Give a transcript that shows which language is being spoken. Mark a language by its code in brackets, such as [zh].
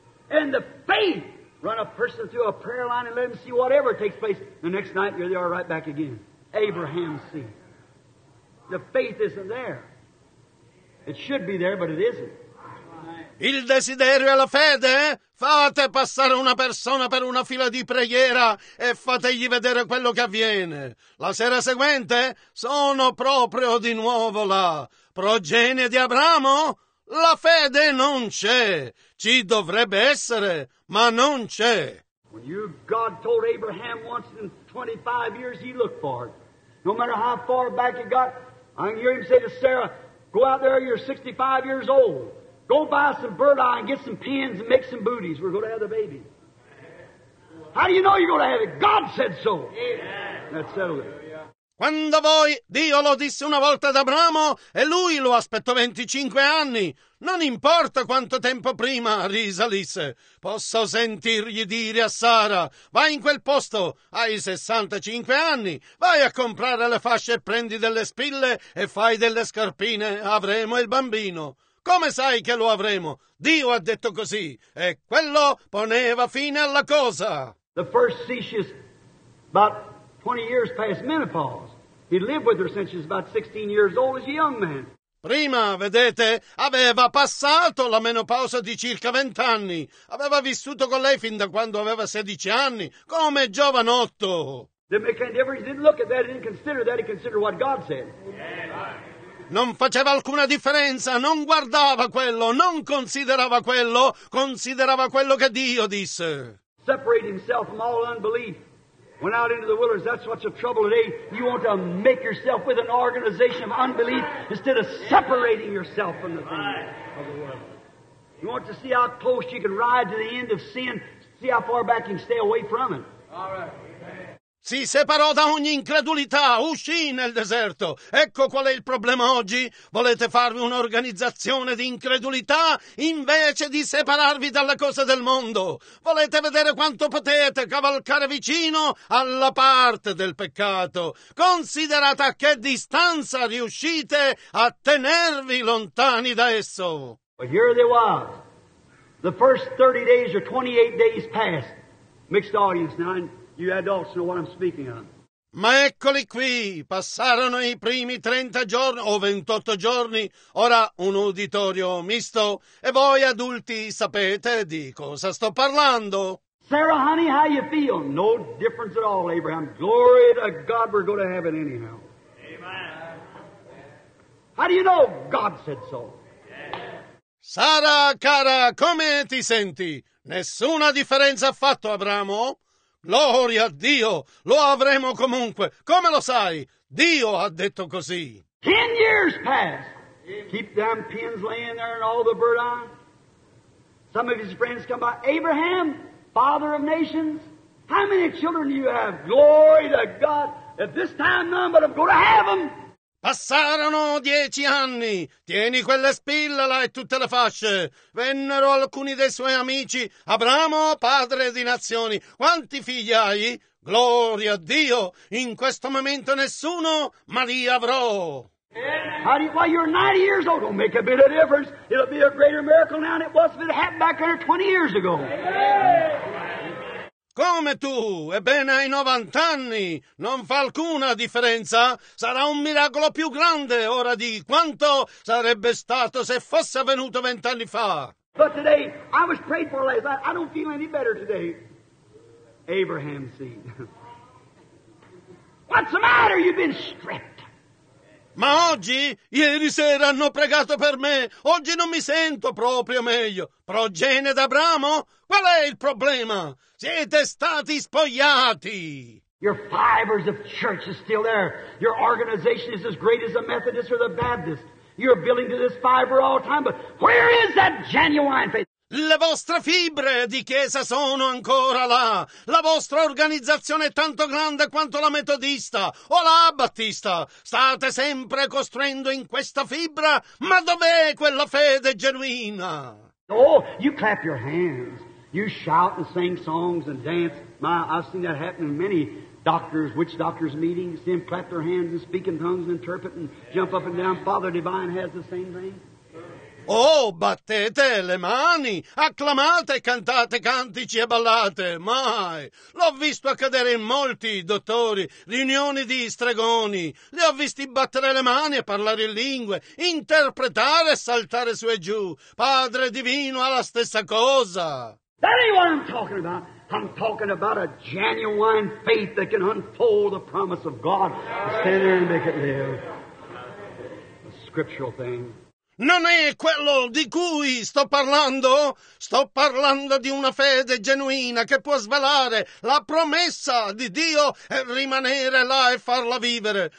[en] And the faith run a person through a prayer line and let him see whatever takes place. The next night, here they are right back again. Abraham see. The faith isn't there. It should be there, but it isn't. [it] Il desiderio e la fede? Fate passare una persona per una fila di preghiera e fategli vedere quello che avviene. La sera seguente sono proprio di nuovo là. Progenie di Abramo? La fede non c'è. Ci dovrebbe essere, ma non c'è. [en] When you, God told Abraham once in 25 years, he looked for it. No matter how far back it got, I hear him say to Sarah, go out there, you're 65 years old. Go buy some bird eye and get some pins and make some booties. We're going to have the baby. How do you know you're going to have it? God said so. Yeah. That settled it. [it] Quando voi, Dio lo disse una volta ad Abramo e lui lo aspettò 25 anni, non importa quanto tempo prima risalisse, posso sentirgli dire a Sara, vai in quel posto, hai 65 anni, vai a comprare le fasce e prendi delle spille e fai delle scarpine, avremo il bambino. Come sai che lo avremo? Dio ha detto così e quello poneva fine alla cosa. [en] The first seashes, but 20 years past menopause. He lived with her since she was about 16 years old as a young man. [it] Prima, vedete, aveva passato la menopausa di circa 20 anni. Aveva vissuto con lei fin da quando aveva 16 anni, come giovanotto. [en] Didn't make any difference. He didn't look at that. He didn't consider that. He considered what God said. [it] Non faceva alcuna differenza. Non guardava quello. Non considerava quello. Considerava quello che Dio disse. [en] Separate himself from all unbelief. Went out into the wilderness. That's what's the trouble today. You want to make yourself with an organization of unbelief instead of separating yourself from the things of the world. You want to see how close you can ride to the end of sin, see how far back you can stay away from it. All right. [it] Si separò da ogni incredulità, uscì nel deserto. Ecco qual è il problema oggi. Volete farvi un'organizzazione di incredulità invece di separarvi dalle cose del mondo. Volete vedere quanto potete cavalcare vicino alla parte del peccato. Considerate a che distanza riuscite a tenervi lontani da esso. [en] But here they were. The first 30 days or 28 days passed. Mixed audience now. You adults know what I'm speaking of. [it] Ma eccoli qui, passarono i primi 30 giorni o 28 giorni, ora un uditorio misto, e voi adulti sapete di cosa sto parlando. [en] Sarah, honey, how you feel? No difference at all, Abraham. Glory to God, we're going to heaven anyhow. Amen. How do you know God said so? Yes. [it] Sara, cara, come ti senti? Nessuna differenza affatto, Abramo? Gloria a Dio, lo avremo comunque. Come lo sai? Dio ha detto così. [en] 10 years passed. Keep them pins laying there and all the burdock. Some of his friends come by. Abraham, father of nations, how many children do you have? Glory to God. At this time none, but I'm going to have them. [it] Passarono 10 anni. Tieni quella spilla là e tutte le fasce. Vennero alcuni dei suoi amici. Abramo, padre di nazioni. Quanti figli hai? Gloria a Dio! In questo momento nessuno, ma li avrò. [en] Why, you're 90 years old. Don't make a bit of difference. It'll be a greater miracle now than it was if it happened back there 20 years ago. [it] Come tu? Ebbene, hai 90 anni. Non fa alcuna differenza. Sarà un miracolo più grande ora di quanto sarebbe stato se fosse avvenuto 20 anni fa. [en] But today, I was prayed for last night. I don't feel any better today. Abraham seed. What's the matter? You've been stripped. [it] Ma oggi? Ieri sera hanno pregato per me. Oggi non mi sento proprio meglio. Progenie d'Abramo? Qual è il problema? Siete stati spogliati! [en] Your fibers of church is still there. Your organization is as great as the Methodist or the Baptist. You're building to this fiber all the time, but where is that genuine faith? [it] Le vostre fibre di chiesa sono ancora là. La vostra organizzazione è tanto grande quanto la metodista o la battista. State sempre costruendo in questa fibra, ma dov'è quella fede genuina? [en] Oh, you clap your hands. You shout and sing songs and dance. My, I've seen that happen in many doctors, witch doctors meetings. Them clap their hands and speak in tongues and interpret and jump up and down. Father Divine has the same thing. [it] Oh, battete le mani, acclamate, cantate cantici e ballate. Mai. L'ho visto accadere in molti dottori, riunioni di stregoni. Li ho visti battere le mani e parlare in lingue, interpretare e saltare su e giù. Padre Divino ha la stessa cosa. [en] That ain't what I'm talking about. I'm talking about a genuine faith that can unfold the promise of God. Stand there and make it live. A scriptural thing. [it] Non è quello di cui sto parlando? Sto parlando di una fede genuina che può svelare la promessa di Dio e rimanere là e farla vivere.